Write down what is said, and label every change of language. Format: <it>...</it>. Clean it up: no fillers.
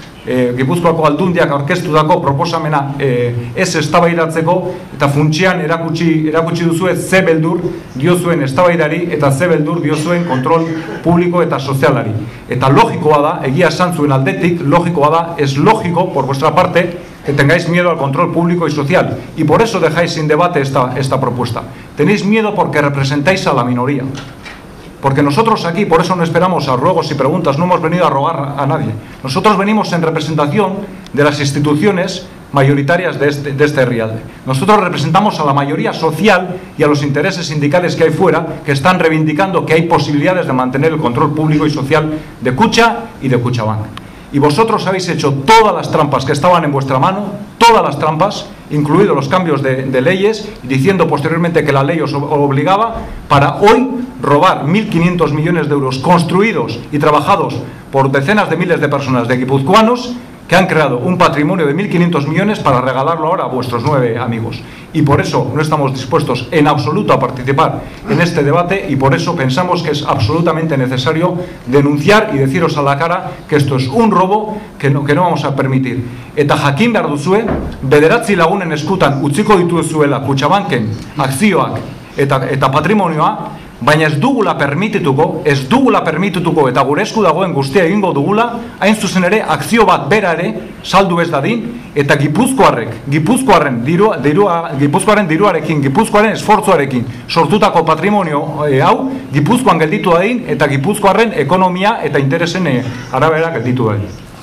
<eu>Gipuzkoako aldundiak aurkeztu dako proposamena ez eztabaidatzeko eta funtsian erakutsi duzue ze beldur diozuen eztabaidari eta ze beldur diozuen kontrol publiko eta sozialari. Eta logikoa da, egia esan zuen aldetik, logikoa da, ez logiko,</eu> <es>por vuestra parte, que tengáis miedo al control público y social. Y por eso dejáis sin debate esta propuesta. Tenéis miedo porque representáis a la minoría. Porque nosotros aquí, por eso no esperamos a ruegos y preguntas, no hemos venido a rogar a nadie. Nosotros venimos en representación de las instituciones mayoritarias de este herrialde. Nosotros representamos a la mayoría social y a los intereses sindicales que hay fuera, que están reivindicando que hay posibilidades de mantener el control público y social de Kutxa y de Kutxabank. Y vosotros habéis hecho todas las trampas que estaban en vuestra mano, todas las trampas, incluidos los cambios de leyes, diciendo posteriormente que la ley os obligaba para hoy robar 1.500 millones de euros construidos y trabajados por decenas de miles de personas de guipuzcoanos que han creado un patrimonio de 1.500 millones para regalarlo ahora a vuestros 9 amigos. Y por eso no estamos dispuestos en absoluto a participar en este debate y por eso pensamos que es absolutamente necesario denunciar y deciros a la cara que esto es un robo que no vamos a permitir.</es> <eu>Eta jakin behar duzue, 9 lagunen eskutan utziko dituzuela Kutxabanken akzioak eta patrimonioa, baina ez dugula permitituko eta gure esku dagoen guztia egingo dugula, hain zuzen ere akzio bat bera ere saldu ez dadin, eta gipuzkoaren diruarekin, gipuzkoaren esfortzuarekin sortutako patrimonio hau gipuzkoan gelditu dadin, eta gipuzkoaren ekonomia eta interesen arabera gelditu dadin.</eu>